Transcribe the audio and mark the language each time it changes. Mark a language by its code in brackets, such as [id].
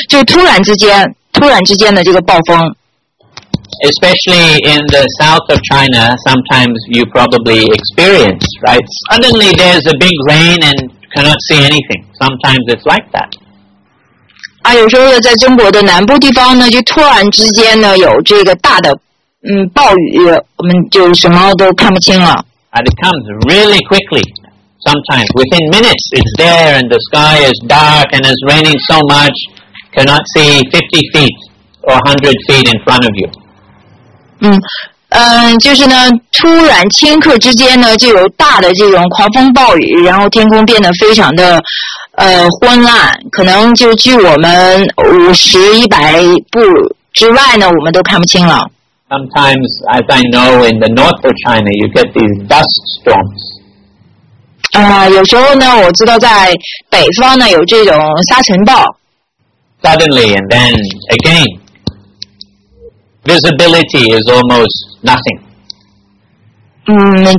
[zh] 就突然之间的这个暴风。 [en] Especially in the south of China, sometimes you probably experience, right? Suddenly there's a big rain and cannot see anything. Sometimes it's like that. [zh] 有时候在中国的南部地方呢，就突然之间呢有这个大的暴雨，我们就什么都看不清了。 [en] And it comes really quickly. Sometimes within minutes, it's there, and the sky is dark, and it's raining so much, cannot see 50 feet or 100 feet in front of you. [zh] 就是呢，突然顷刻之间呢，就有大的这种狂风暴雨，然后天空变得非常的昏暗，可能就距我们50-100步之外呢，我们都看不清了。 [en] Sometimes, as I know, in the north of China, you get these dust storms. [zh] 有时候呢，我知道在北方呢有这种沙尘暴。 [en] Suddenly, and then again. Visibility is almost nothing.